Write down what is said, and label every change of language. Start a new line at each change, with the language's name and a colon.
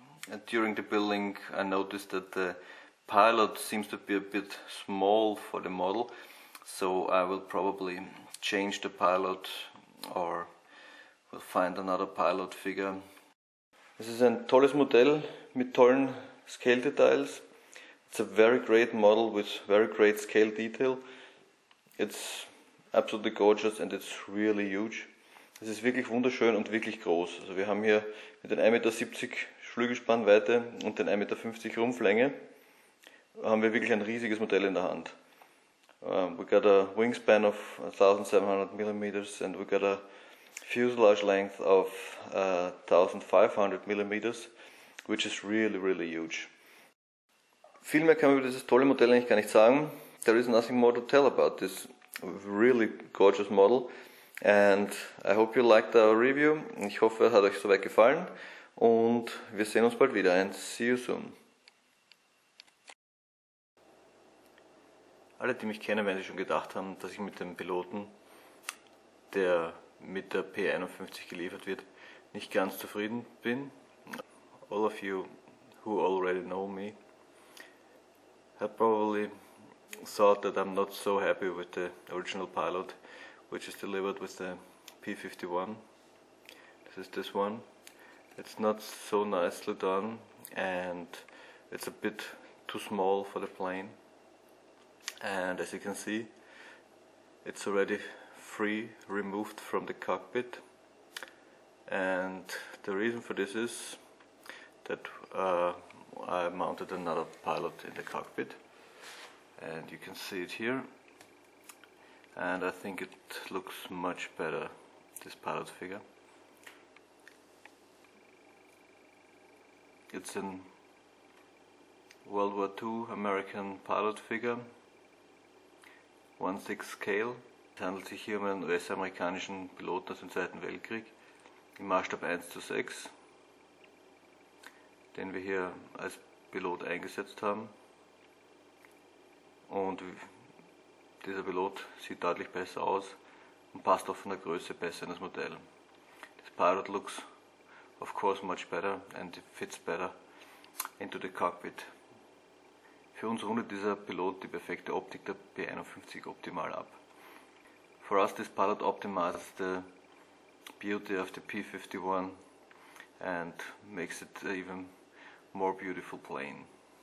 English: And during the building I noticed that the pilot seems to be a bit small for the model, so I will probably change the pilot or will find another pilot figure. This is a
German: tolles Modell mit tollen
English: scale details. It's a very great model with very great scale detail. It's absolutely gorgeous and it's really huge.
German: Es ist wirklich wunderschön und wirklich groß. Also wir haben hier mit den 1,70 m Flügelspannweite und den 1,50 m Rumpflänge haben wir wirklich ein riesiges Modell in der Hand.
English: We got a wingspan of 1700 mm and we got a fuselage length of 1500 mm, which is really, really huge.
German: Viel mehr kann man über dieses tolle Modell eigentlich gar nicht sagen.
English: There is nothing more to tell about this. Really gorgeous model and I hope you liked our review.
German: Ich hoffe, es hat euch soweit gefallen und wir sehen uns bald wieder
English: and see you soon.
German: Alle, die mich kennen, werden sich schon gedacht haben, dass ich mit dem Piloten, der mit der P-51 geliefert wird, nicht ganz zufrieden bin.
English: All of you who already know me have probably thought that I'm not so happy with the original pilot, which is delivered with the P-51. This is this one. It's not so nicely done and it's a bit too small for the plane. And as you can see, it's already free removed from the cockpit. And the reason for this is that I mounted another pilot in the cockpit. And you can see it here, and I think it looks much better, this pilot figure. It's a World War II American pilot figure, 1/6 scale.
German: Es handelt sich hier um einen US-amerikanischen Piloten aus dem Zweiten Weltkrieg, im Maßstab 1:6, den wir hier als Pilot eingesetzt haben. Und dieser Pilot sieht deutlich besser aus und passt auch von der Größe besser in das Modell.
English: This pilot looks of course much better and it fits better into the cockpit.
German: Für uns rundet dieser Pilot die perfekte Optik der P-51 optimal ab.
English: For us this pilot optimizes the beauty of the P-51 and makes it an even more beautiful plane.